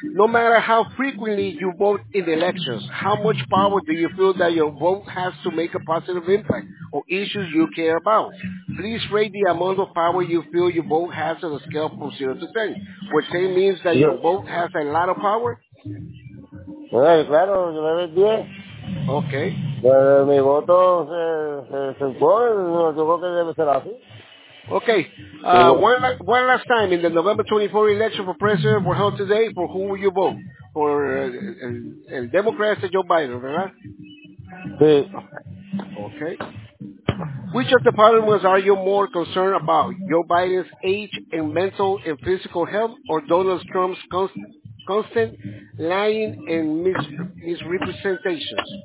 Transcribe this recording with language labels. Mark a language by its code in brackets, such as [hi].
[en] No matter how frequently you vote in elections, how much power do you feel that your vote has to make a positive impact on issues you care about? Please rate the amount of power you feel your vote has on a scale from 0 to 10, which then means that your vote has a lot of power. [es] Sí, claro, yo le doy 10. [en] Ok. [es] Mi voto se supone, yo creo que debe ser así. [en] Okay. One last time, in the November 24 election for president were held today, for who will you vote? For el Democrat or Joe Biden, [es] ¿verdad? Sí. [en] Okay. Which of the following ones are you more concerned about? Joe Biden's age and mental and physical health, or Donald Trump's constant lying and misrepresentations?